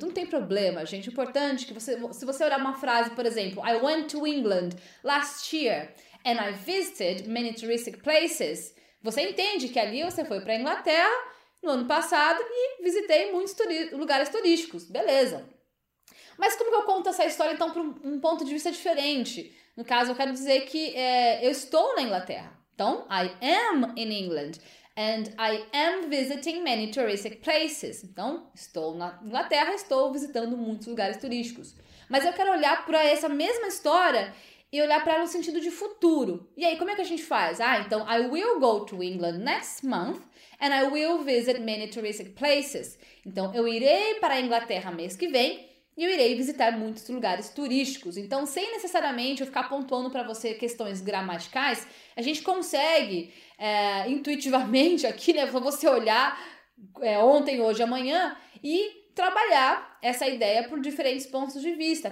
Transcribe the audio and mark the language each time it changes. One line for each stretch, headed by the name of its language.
Portuguese: Não tem problema, gente. O importante é que você, se você olhar uma frase, por exemplo,
English: I went to England last year and I visited many touristic places.
Portuguese: Você entende que ali você foi para a Inglaterra no ano passado e visitei muitos lugares turísticos. Beleza. Mas como que eu conto essa história, então, para um ponto de vista diferente? No caso, eu quero dizer que eu estou na Inglaterra.
English: Então, I am in England. And I am visiting many touristic places.
Portuguese: Então, estou na Inglaterra, estou visitando muitos lugares turísticos. Mas eu quero olhar para essa mesma história e olhar para ela no sentido de futuro. E aí, como é que a gente faz? Ah, então,
English: I will go to England next month and I will visit many touristic places.
Portuguese: Então, eu irei para a Inglaterra mês que vem e eu irei visitar muitos lugares turísticos. Então, sem necessariamente eu ficar pontuando para você questões gramaticais, a gente consegue, intuitivamente aqui, né, para você olhar ontem, hoje, amanhã, e trabalhar essa ideia por diferentes pontos de vista.